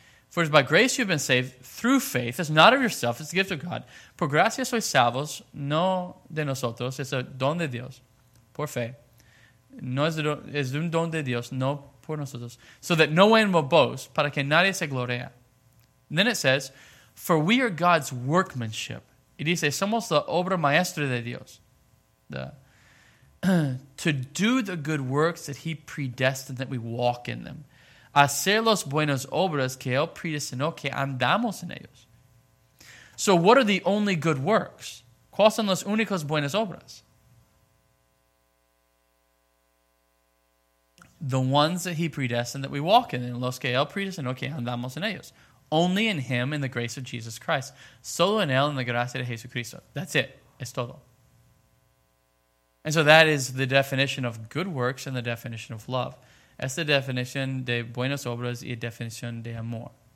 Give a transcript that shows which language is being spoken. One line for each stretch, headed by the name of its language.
English: For it is by grace you have been saved through faith. It's not of yourself, it's the gift of God.
Spanish: Por gracia sois salvos, no de nosotros, es el don de Dios, por fe. No es un don de Dios, no por nosotros.
English: So that no one will boast,
Spanish: para que nadie se gloria.
English: And then it says, for we are God's workmanship.
Spanish: Y dice, somos la obra maestra de Dios.
English: To do the good works that he predestined that we walk in them.
Spanish: Hacer los buenos obras que él predestinó que andamos en ellos.
English: So what are the only good works?
Spanish: ¿Cuáles son las únicas buenas obras?
English: The ones that he predestined that we walk in them.
Spanish: Los que él predestinó que andamos en ellos.
English: Only in him in the grace of Jesus Christ.
Spanish: Solo en él en la gracia de Jesucristo.
English: That's it.
Spanish: Es todo.
English: And so that is the definition of good works and the definition of love.
Spanish: Es la definición de buenas obras y definición de amor.